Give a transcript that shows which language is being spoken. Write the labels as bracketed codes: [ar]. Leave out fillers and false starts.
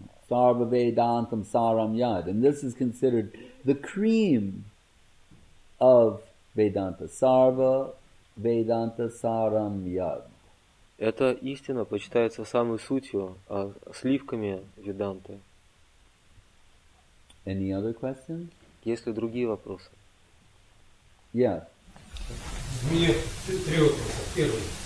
[sa] Sarva Vedantam Saram Yad. [en] And this is considered the cream of Vedanta. [sa] Sarva Vedanta Saram Yad. [ru] Эта истина почитается самой сутью, сливками Веданты. [en] Any other questions? [ru] Есть ли другие вопросы? [en] Yes. [ru] У меня три вопроса. Первый.